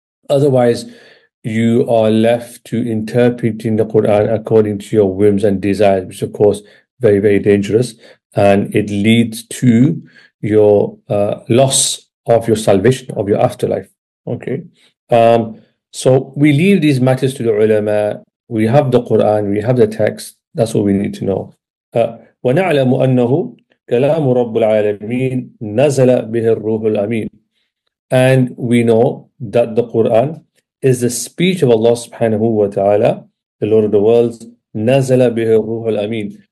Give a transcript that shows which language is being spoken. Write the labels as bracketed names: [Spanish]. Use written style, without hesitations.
[English] Otherwise, you are left to interpreting the Quran according to your whims and desires, which of course, very, very dangerous. And it leads to your loss of your salvation, of your afterlife. Okay. So we leave these matters to the ulama. We have the Quran, we have the text. That's what we need to know. [Arabic] وَنَعْلَمُ أَنَّهُ كلام رب العالمين نزل به الروح الأمين. [English] And we know that the Quran is the speech of Allah subhanahu wa ta'ala, the Lord of the worlds, [Arabic] نزل به الروح الأمين.